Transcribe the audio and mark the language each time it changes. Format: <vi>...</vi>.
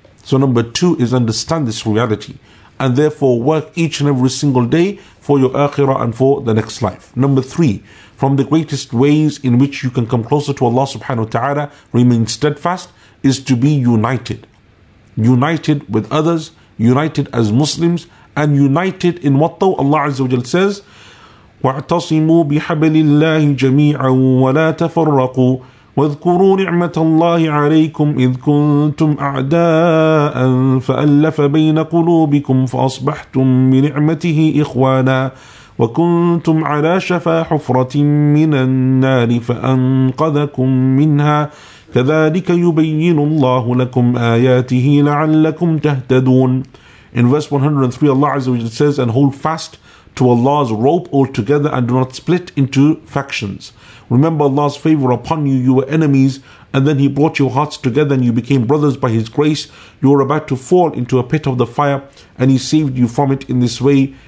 <en>So number two is understand this reality, and therefore work each and every single day for your akhirah and for the next life. Number three, from the greatest ways in which you can come closer to Allah subhanahu wa ta'ala, remain steadfast, is to be united. United with others, united as Muslims, and united in what though? Allah Azza wa Jal says,</en> <ar>وَاعْتَصِمُوا بِحَبْلِ اللَّهِ جَمِيعًا وَلَا تَفَرَّقُوا وَاذْكُرُوا نِعْمَةَ اللَّهِ عَلَيْكُمْ إِذْ كُنْتُمْ أَعْدَاءً فَأَلَّفَ بَيْنَ قُلُوبِكُمْ فَأَصْبَحْتُمْ بِنِعْمَتِهِ إِخْوَانًا وَكُنْتُمْ عَلَى شَفَا حُفْرَةٍ مِّنَ النَّارِ فَأَنْقَذَكُمْ مِنْهَا كذلك يبين الله لكم آياته لعلكم تهتدون.</ar> <en>In verse 103, Allah Azza wa Jalla says, and hold fast to Allah's rope altogether and do not split into factions. Remember Allah's favor upon you, you were enemies, and then He brought your hearts together and you became brothers by His grace. You were about to fall into a pit of the fire and He saved you from it in this way.</en>